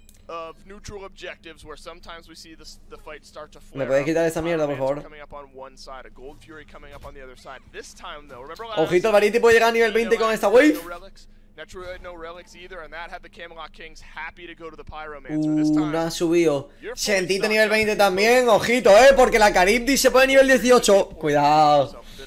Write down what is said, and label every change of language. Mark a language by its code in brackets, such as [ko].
[en] of neutral objectives where sometimes we see the fight start to flare. [es] ¿Me puedes quitar esa mierda, por favor? [en] Coming up on one side, a Gold Fury coming up on the other side. This time though, remember [es] last ojito, el Variety puede llegar a nivel 20 con esta wave. [en] Netru had no relics either, and that had the Camelot Kings happy to go to the Pyromancer. [es] No ha subido. Sentite nivel 20 también, ojito, porque la Caribdis se pone nivel 18. Cuidado.